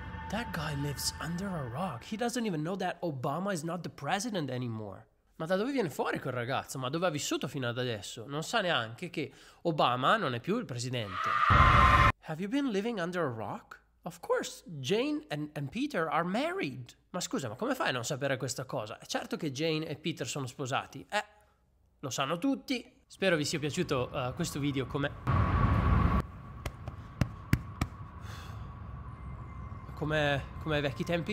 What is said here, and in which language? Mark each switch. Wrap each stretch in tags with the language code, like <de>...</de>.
<en>That guy lives under a rock. He doesn't even know that Obama is not the president anymore.</en> <it>Ma da dove viene fuori quel ragazzo? Ma dove ha vissuto fino ad adesso? Non sa neanche che Obama non è più il presidente.</it> <en>Have you been living under a rock? Of course, Jane and Peter are married.</en> <it>Ma scusa, ma come fai a non sapere questa cosa? È certo che Jane e Peter sono sposati. Lo sanno tutti. Spero vi sia piaciuto questo video come ai vecchi tempi.</it>